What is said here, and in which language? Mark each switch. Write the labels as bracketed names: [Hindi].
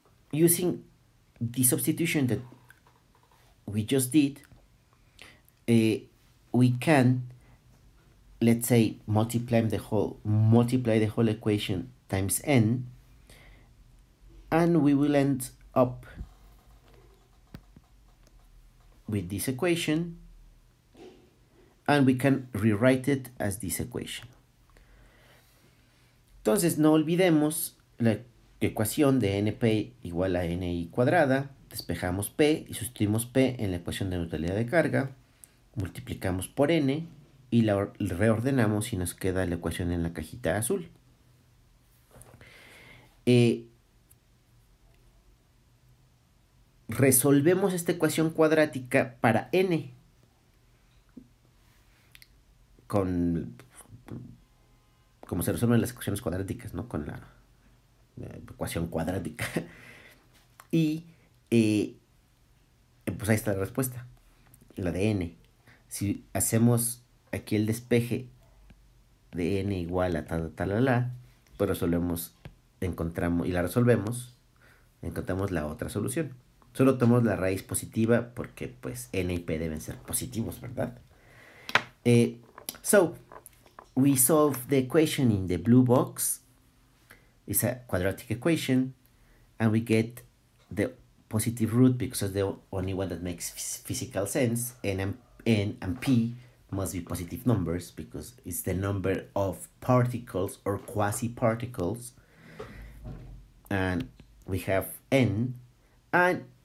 [English] Using the substitution that we just did, we can, let's say, multiply the whole equation times N, and we will end up with this equation, and we can rewrite it as this equation. [Spanish] Entonces, no olvidemos la ecuación de np igual a ni cuadrada. Despejamos p y sustituimos p en la ecuación de neutralidad de carga. Multiplicamos por n y la reordenamos y nos queda la ecuación en la cajita azul. Resolvemos esta ecuación cuadrática para n con, como se resuelven las ecuaciones cuadráticas, ¿no? Con la ecuación cuadrática. Y pues ahí está la respuesta, la de n. Si hacemos aquí el despeje de n igual a tal, tal, tal, la, pues resolvemos, encontramos, y la resolvemos, encontramos la otra solución. Solo tomamos la raíz positiva porque, pues, n y p deben ser positivos, ¿verdad? [English] So, we solve the equation in the blue box. It's a quadratic equation, and we get the positive root because it's the only one that makes physical sense. N and p must be positive numbers because it's the number of particles or quasi-particles. And we have n, and